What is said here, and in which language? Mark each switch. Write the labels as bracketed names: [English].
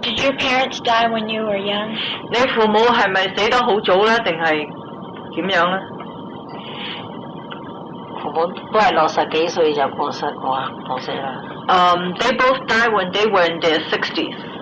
[English] Did your parents die when you were young? [Chinese] 你父母是不是死得很早呢定是怎样呢父母都是六十几岁就过世过过世了。 [English] They both died when they were in their 60s.